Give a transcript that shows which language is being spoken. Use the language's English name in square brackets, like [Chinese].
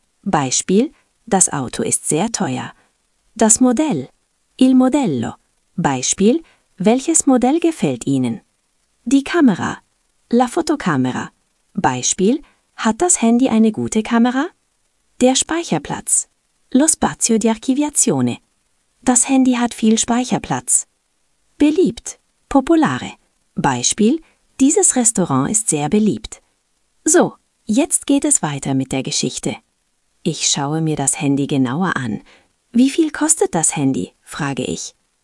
[German] Beispiel, das Auto ist sehr teuer. Das Modell. [Italian] Il modello. [German] Beispiel, welches Modell gefällt Ihnen? Die Kamera. [Italian] La fotocamera. [German] Beispiel, hat das Handy eine gute Kamera? Der Speicherplatz. [Italian] Lo spazio di archiviazione. [German] Das Handy hat viel Speicherplatz. Beliebt. [Italian] Popolare. [German] Beispiel, dieses Restaurant ist sehr beliebt. So, jetzt geht es weiter mit der Geschichte. Ich schaue mir das Handy genauer an. Wie viel kostet das Handy? Frage ich.